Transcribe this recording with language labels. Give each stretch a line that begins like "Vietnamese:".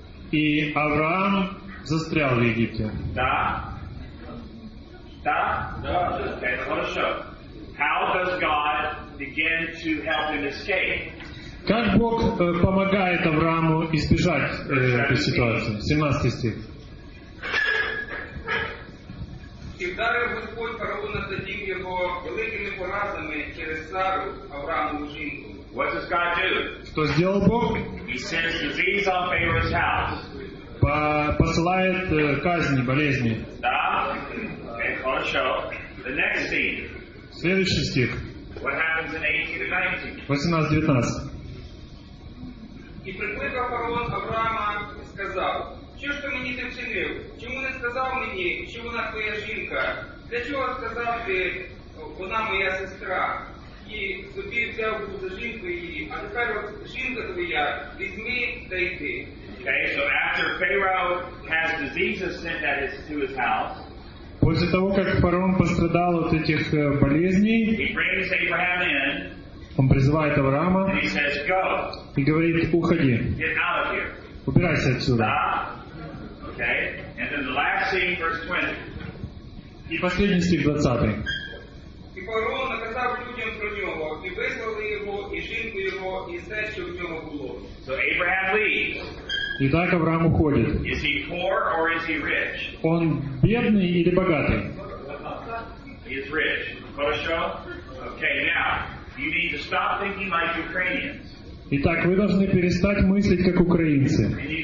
Russian: И Авраам застрял в Египте. Да? Да? Да. Okay, хорошо.
English: How does God begin to help him escape?
Russian: Как Бог помогает Аврааму избежать этой ситуации? 17 стих.
Ukrainian: І вдарив Господь фараона за дім його великими поразами через Сару, Авраамову жінку.
English: What does God do?
Ukrainian: Що зробив Бог?
English: He sends disease on Pharaoh's house.
Russian: Посилає казни, болезни. Да? Okay, хорошо.
English: The next scene.
Russian: Следующий стих.
English: What happens in 18-19? 18-19.
Ukrainian: І прикликав фараон Авраама і сказав, що ж ти мені ти вчинив? Чому не сказав мені, що вона твоя жінка? Для чого сказав ти, вона моя сестра? І собі взяв був за жінку її, а тепер жінка твоя, візьми та йди.
English: Okay, so after Pharaoh has diseases sent at his, to his house,
Russian: после того, как фараон пострадал от этих болезней,
English: he brings Abraham in,
Russian: он призывает Авраама,
English: and he says, go,
Russian: и говорит, уходи.
English: Get out of here.
Russian: Убирайся отсюда.
English: Okay. And then the last scene, verse 20.
Russian: И последний стих 20.
Ukrainian: И фараон наказав людям про нього, и вислали его, и жінку его, и все, що в нього було.
English: So Abraham leaves.
Russian: Итак, Авраам уходит.
English: Is he poor or is he rich?
Russian: Он бедный или богатый?
English: He is rich.
Russian: Хорошо?
English: Okay, now, you need to stop thinking like Ukrainians.
Russian: Итак, вы должны перестать мыслить как украинцы.